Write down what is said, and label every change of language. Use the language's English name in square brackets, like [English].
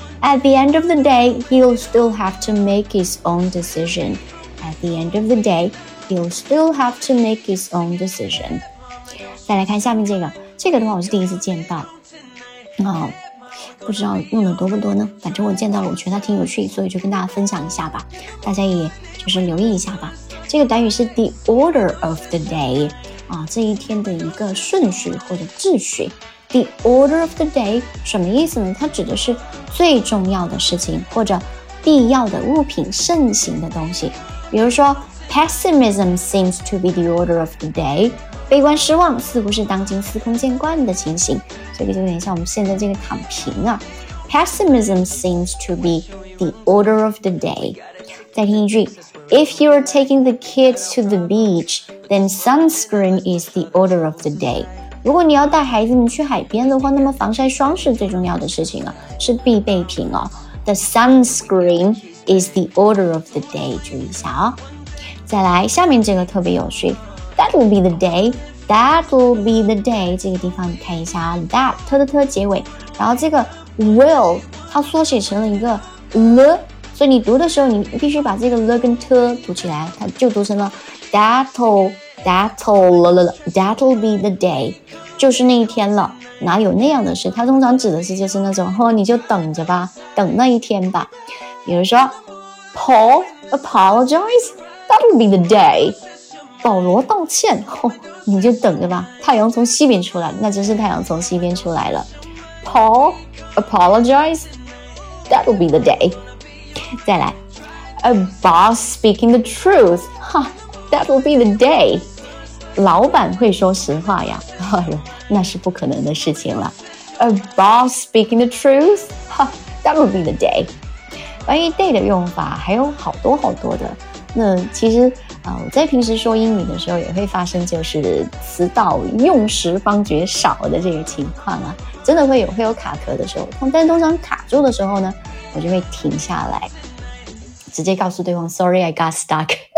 [English] At the end of the day he'll still have to make his own decision. At the end of the day he'll still have to make his own decision. [Chinese] 再来看下面这个，这个的话我是第一次见到哦，不知道用的多不多呢，反正我见到了，我觉得它挺有趣，所以就跟大家分享一下吧，大家也就是留意一下吧。这个短语是 the order of the day 啊，这一天的一个顺序或者秩序。 the order of the day 什么意思呢？它指的是最重要的事情或者必要的物品，盛行的东西。比如说 [English] pessimism seems to be the order of the day， [Chinese] 悲观失望似乎是当今司空见惯的情形，这个就有点像我们现在这个躺平啊。 [English] Pessimism seems to be the order of the day. [Chinese] 再听一句 [English] If you're taking the kids to the beach, then sunscreen is the order of the day. [Chinese] 如果你要带孩子们去海边的话，那么防晒霜是最重要的事情啊，是必备品哦。 [English] The sunscreen is the order of the day. [Chinese] 注意一下哦。再来，下面这个特别有趣。 [English] That'll be the day. [Chinese] That'll be the day. 这个地方你看一下 that 特特特结尾，然后这个 will 它缩写成了一个 le， 所以你读的时候你必须把这个 le 跟 te 读起来，它就读成了 that'll be the day， 就是那一天了。哪有那样的事？它通常指的是就是那种你就等着吧，等那一天吧。比如说 [English] Paul apologize, that'll be the day. [Chinese] 保罗道歉，你就等着吧，太阳从西边出来，那真是太阳从西边出来了。 [English] Paul apologize, that'll be the day. [Chinese] 再来 [English] A boss speaking the truth, that'll be the day. [Chinese] 老板会说实话呀，那是不可能的事情了。 [English] A boss speaking the truth, that'll be the day. [Chinese] 关于 day 的用法还有好多好多的，那其实我在平时说英语的时候也会发生就是词到用时方觉少的这个情况啊，真的会有卡壳的时候，但通常卡住的时候呢，我就会停下来直接告诉对方 [English] Sorry I got stuck